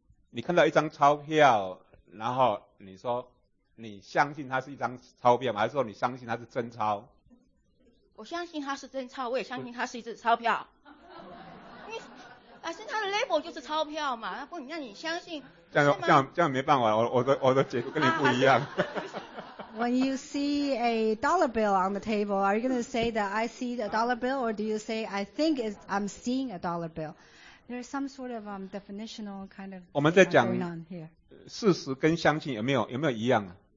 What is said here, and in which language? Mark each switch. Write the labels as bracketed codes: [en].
[zh] 你看到一张钞票，然后你说你相信它是一张钞票吗？还是说你相信它是真钞？我相信它是真钞，我也相信它是一张钞票。你，但是它的 label 就是钞票嘛，那不，那你相信？这样没办法，我的解读跟你不一样。 [en] When you see a dollar bill on the table, are you going to say that I see a dollar bill, or do you say I think it's I'm seeing a dollar bill? There's some sort of definitional kind of going on here. [zh] 我们在讲事实跟相信有没有一样啊？